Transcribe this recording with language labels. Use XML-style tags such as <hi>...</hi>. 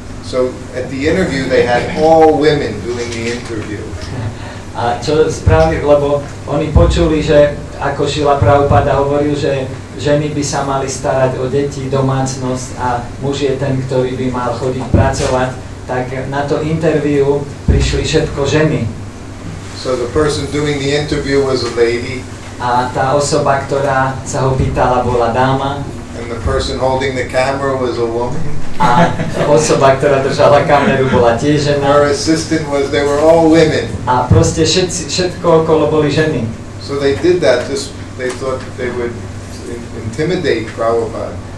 <en>So at the interview they had all women doing the interview.</en> <sk>A čo spravili, lebo oni počuli, že ako Šila Prabhupada hovoril, že ženy by sa mali starať o deti, domácnosť a muž je ten, ktorý by mal chodiť pracovať, tak na to interview prišli všetko ženy.</sk> <en>So the person doing the interview was a lady.</en> <sk>A tá osoba, ktorá sa ho pýtala, bola dáma.</sk> <en>And the person holding the camera was a woman.</en> <sk>A osoba, ktorá držala kameru, bola tiež žena.</sk> <en>Her assistant was, they were all women.</en> <sk>A proste všetko okolo boli ženy.</sk> <en>So they did that, just they thought that they would intimidate Prabhupada.</en>